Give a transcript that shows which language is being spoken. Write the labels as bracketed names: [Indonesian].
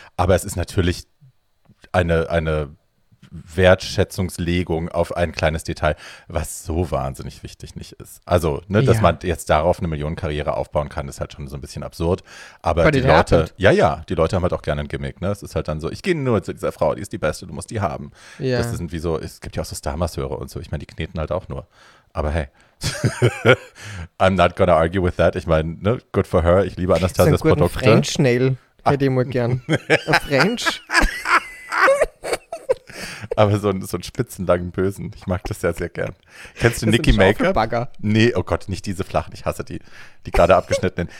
[German] Aber es ist natürlich eine Wertschätzungslegung auf ein kleines Detail, was so wahnsinnig wichtig nicht ist. Also, ne, dass man jetzt darauf eine Millionenkarriere aufbauen kann, ist halt schon so ein bisschen absurd. Aber die Leute, die Leute haben halt auch gerne ein Gimmick. Ne? Es ist halt dann so, ich gehe nur zu dieser Frau, die ist die Beste, du musst die haben. Ja. Das sind wie so, es gibt ja auch so Star-Masseure und so. Ich meine, die kneten halt auch nur. [English] Aber hey, I'm not gonna argue with that. [German] Ich meine, ne, [English] good for her. [German] Ich liebe Anastasias Produkte. Ein French-Nail hätte ich mal gern. [English] A French. [German] Aber so einen spitzenlangen Bösen. Ich mag das sehr, sehr gern. Kennst du Nicki Make-Up? Nee, oh Gott, nicht diese flachen. Ich hasse die gerade abgeschnittenen.